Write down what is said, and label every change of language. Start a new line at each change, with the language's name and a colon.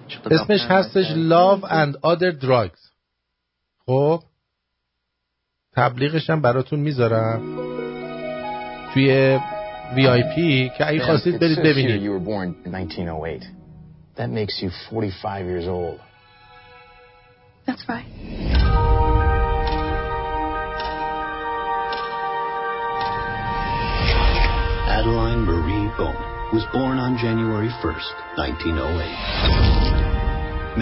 Persian: اسمش هستش Love and Other Drugs. خب تبلیغش هم براتون میذارم توی VIP که اگه خواستید برید ببینید.
English: You were born 1908. That makes you 45 years old. That's right. Adeline Marie Bowman was born on January 1st, 1908.